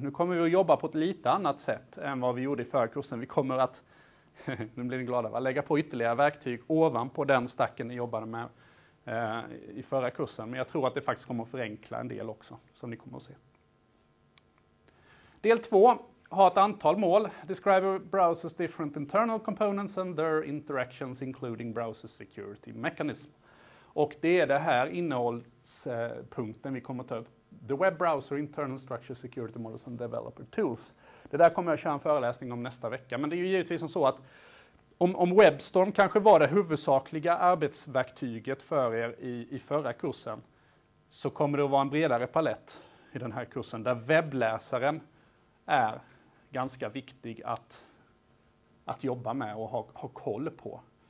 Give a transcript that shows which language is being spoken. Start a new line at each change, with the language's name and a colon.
Swedish: Nu kommer vi att jobba på ett lite annat sätt än vad vi gjorde i förra kursen. Vi kommer att, nu blir ni glada, va? Lägga på ytterligare verktyg ovanpå den stacken ni jobbade med i förra kursen. Men jag tror att det faktiskt kommer att förenkla en del också, som ni kommer att se. Del 2 har ett antal mål.
English: Describe browsers different internal components and their interactions including browser security mechanism.
Swedish: Och det är det här innehållspunkten vi kommer att ta upp.
English: The web browser internal structure security models and developer tools.
Swedish: Det där kommer jag köra en föreläsning om nästa vecka. Men det är ju givetvis som så att om WebStorm kanske var det huvudsakliga arbetsverktyget för er i förra kursen, så kommer det att vara en bredare palett i den här kursen där webbläsaren är ganska viktig att jobba med och ha koll på.